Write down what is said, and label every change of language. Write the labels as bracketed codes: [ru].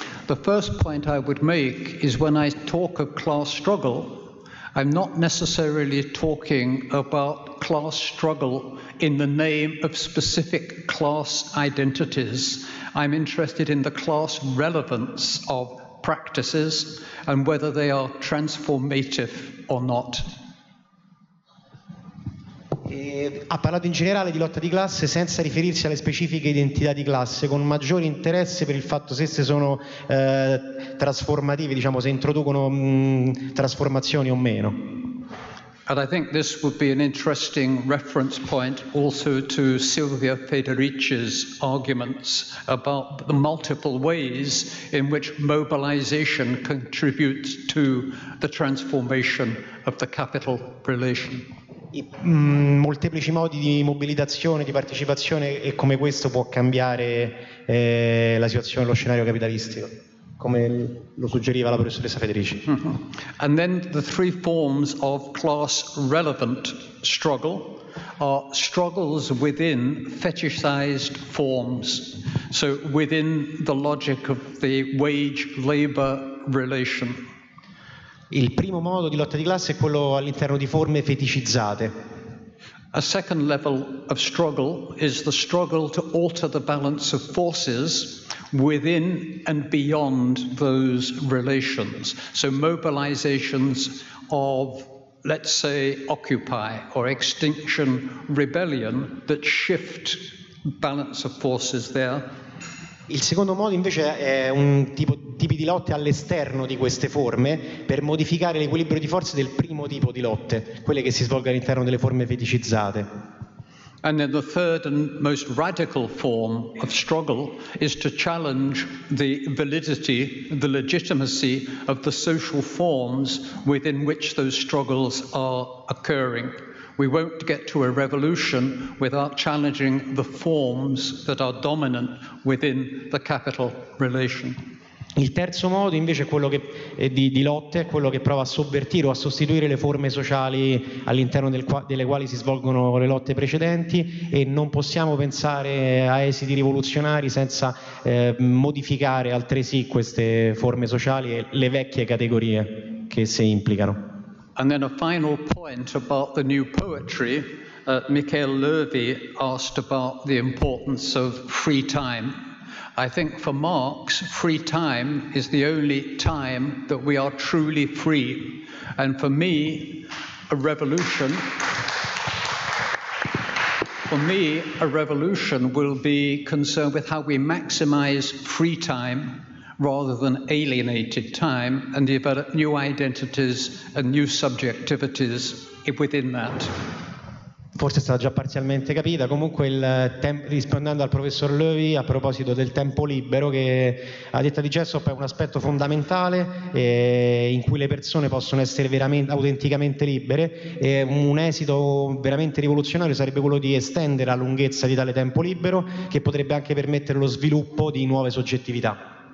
[en] The first point I would make is when I talk of class struggle, I'm not necessarily talking about class struggle in the name of specific class identities. I'm interested in the class relevance of practices and whether they are transformative or not. [it] Ha parlato in generale di lotta di classe senza riferirsi alle specifiche identità di classe, con maggiore interesse per il fatto se esse sono trasformative, diciamo, se introducono trasformazioni o meno. [en] And I think this would be an interesting reference point also to Silvia Federici's arguments about the multiple ways in which mobilization contributes to the transformation of the capital relation. [it] Molteplici modi di mobilitazione, di partecipazione, e come questo può cambiare la situazione, lo scenario capitalistico, come lo suggeriva la professoressa Federici. Mm-hmm. [en] And then the three forms of class relevant struggle are struggles within fetishized forms, so within the logic of the wage labor relation. [it] Il primo modo di lotta di classe è quello all'interno di forme feticizzate. [en] A second level of struggle is the struggle to alter the balance of forces within and beyond those relations. So mobilizations of, let's say, Occupy or Extinction Rebellion that shift balance of forces there. [it] Il secondo modo invece è un tipi di lotte all'esterno di queste forme per modificare l'equilibrio di forze del primo tipo di lotte, quelle che si svolgono all'interno delle forme feticizzate. [en] And then the third and most radical form of struggle is to challenge the validity, the legitimacy of the social forms within which those struggles are occurring. We won't get to a revolution without challenging the forms that are dominant within the capital relation. [it] Il terzo modo invece è quello che è di lotte, è quello che prova a sovvertire o a sostituire le forme sociali all'interno delle quali si svolgono le lotte precedenti, e non possiamo pensare a esiti rivoluzionari senza modificare altresì queste forme sociali e le vecchie categorie che se implicano. [en] And then a final point about the new poetry. Michael Lurvy asked about the importance of free time. I think for Marx, free time is the only time that we are truly free. And for me, a revolution will be concerned with how we maximize free time rather than alienated time, and develop new identities and new subjectivities within that. [it] Forse è stata già parzialmente capita. Comunque, rispondendo al professor Lurvy a proposito del tempo libero, che a detta di Jessop è un aspetto fondamentale in cui le persone possono essere veramente autenticamente libere, e un esito veramente rivoluzionario sarebbe quello di estendere la lunghezza di tale tempo libero, che potrebbe anche permettere lo sviluppo di nuove soggettività.